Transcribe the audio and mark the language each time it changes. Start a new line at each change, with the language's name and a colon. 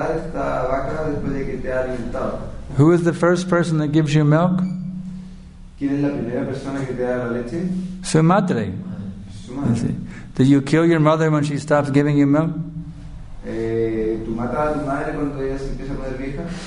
English: Who is the first person that gives you milk?
Spanish: ¿Quién es la primera persona que te da la leche? Su madre. Su madre.
English: Do you kill your mother when she stops giving you milk?
Spanish: ¿Tú matas a tu madre cuando ella se empieza a poner vieja?